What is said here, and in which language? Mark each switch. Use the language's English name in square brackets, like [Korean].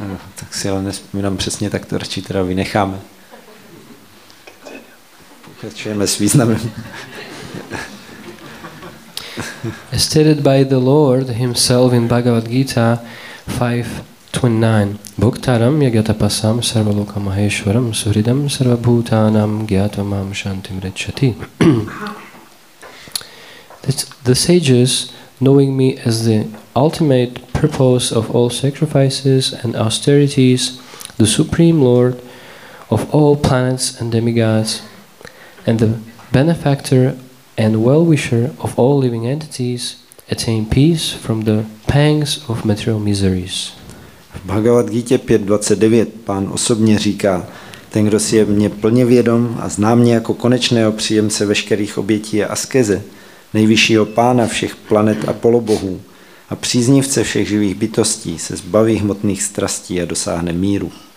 [Czech] No, tak si ale nespomínám přesně, tak to radši teda vynecháme. [English] Continue. [Czech] Pokračujeme s významem. [English] as stated by the Lord Himself in Bhagavad Gita 5:29. [Sanskrit] Bhuktaram yagatapasam sarva loka maheshwaram suhridam sarva bhutanam gyatvamam shantim rechati. [English] The sages, knowing me as the ultimate purpose of all sacrifices and austerities, the Supreme Lord of all planets and demigods, and the benefactor and well-wisher of all living entities, attain peace from the pangs of material miseries. [Czech] V Bhagavad Gita 5:29 pán osobně říká, ten, kdo si je mě plně vědom a zná mě jako konečného příjemce veškerých obětí a askeze, nejvyššího pána všech planet a polobohů a příznivce všech živých bytostí, se zbaví hmotných strastí a dosáhne míru.